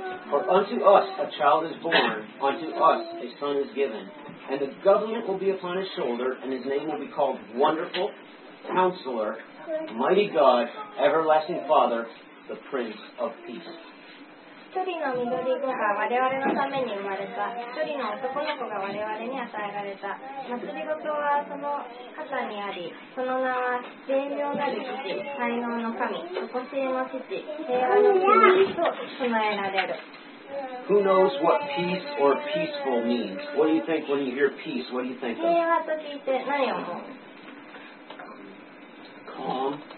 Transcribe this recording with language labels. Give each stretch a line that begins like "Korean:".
English: For unto us a child is born, unto us a son is given, and the government will be upon his shoulder, and his name will be called Wonderful Counselor, Mighty God, Everlasting Father, the Prince of Peace.
Japanese: 一人の緑子が我々のために生まれた。一人の男の子が我々に与えられた。祭り事はその肩にあり、その名は善良なる父、才能の神、とこしえの父、平和の神と唱えられる。
English: Who knows what peace or peaceful means? What do you think when you hear peace? What do you think?
Japanese: 平和と聞いて何を思う